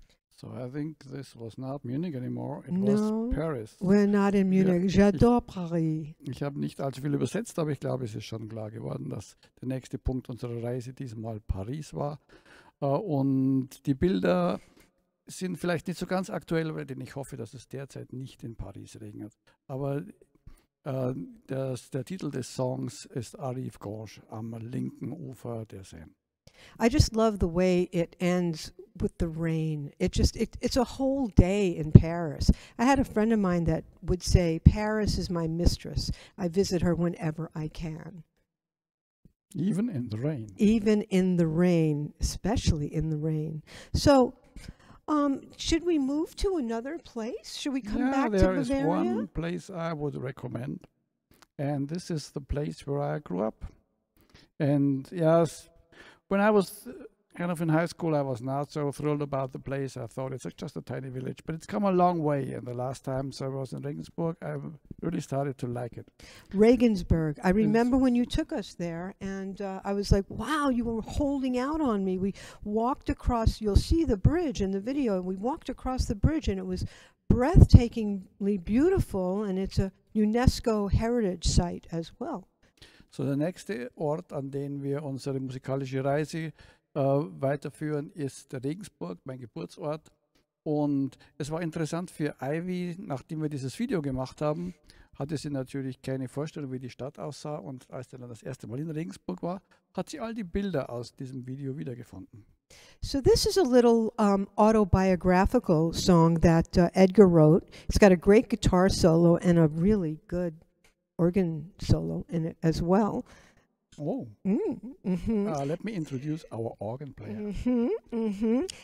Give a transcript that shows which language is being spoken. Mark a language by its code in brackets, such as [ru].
[en] So I think this was not Munich anymore, was Paris. We're not in Munich. Yeah. [fr] J'adore Paris. [de] Ich habe nicht allzu viel übersetzt, aber ich glaube, es ist schon klar geworden, dass der nächste Punkt unserer Reise diesmal Paris war. Und die Bilder sind vielleicht nicht so ganz aktuell, weil ich hoffe, dass es derzeit nicht in Paris regnet. Aber der Titel des Songs ist Arrive Gorge, am linken Ufer der Seine. [en] I just love the way it ends with the rain. It's a whole day in Paris. I had a friend of mine that would say, Paris is my mistress. I visit her whenever I can. Even in the rain. Even in the rain, especially in the rain. So, should we move to another place? Should we come back to Bavaria? There is one place I would recommend. And this is the place where I grew up. And yes, when I was kind of in high school, I was not so thrilled about the place. I thought it's just a tiny village, but it's come a long way. And the last time I was in Regensburg, I really started to like it. Regensburg. I remember when you took us there, and I was like, wow, you were holding out on me. We walked across, you'll see the bridge in the video, and we walked across the bridge, and it was breathtakingly beautiful, and it's a UNESCO heritage site as well. [de] So der nächste Ort, an den wir unsere musikalische Reise weiterführen, ist Regensburg, mein Geburtsort. Und es war interessant für Ivy, nachdem wir dieses Video gemacht haben, hatte sie natürlich keine Vorstellung, wie die Stadt aussah. Und als sie dann das erste Mal in Regensburg war, hat sie all die Bilder aus diesem Video wiedergefunden. [en] So this is a little autobiographical song that Edgar wrote. It's got a great guitar solo and a really good organ solo in it as well. Let me introduce our organ player.